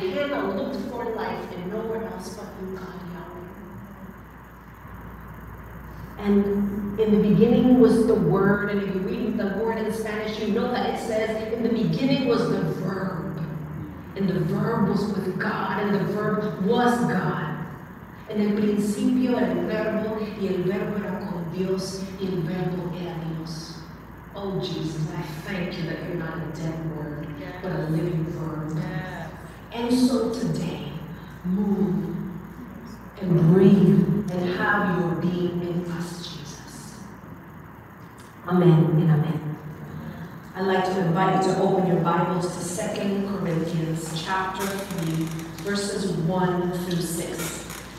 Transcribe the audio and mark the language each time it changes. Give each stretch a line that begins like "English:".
English: Hannah looked for life and nowhere else but you, God, Yahweh. And in the beginning was the word. And if you read the word in Spanish, you know that it says, in the beginning was the verb. And the verb was with God. And the verb was God.
Spanish: En el principio era el verbo, y el verbo era con Dios, y el verbo era Dios.
English: Oh, Jesus, I thank you that you're not a dead word, but a living word. And so today, move and breathe and have your being in us, Jesus. Amen and amen. I'd like to invite you to open your Bibles to 2 Corinthians chapter 3, verses 1 through 6.